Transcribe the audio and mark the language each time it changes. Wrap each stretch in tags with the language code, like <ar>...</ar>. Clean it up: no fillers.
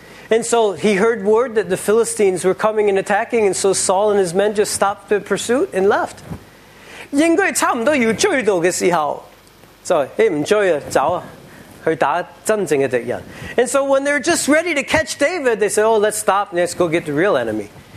<en>And so he heard word that the Philistines were coming and attacking, and so Saul and his men just stopped the pursuit and left.</en> <zh>应该差不多要追到的时候，就，哎，不追了，走啊，去打真正的敌人。</zh> <en>And so when they're just ready to catch David, they say, oh, let's stop and let's go get the real enemy.</en>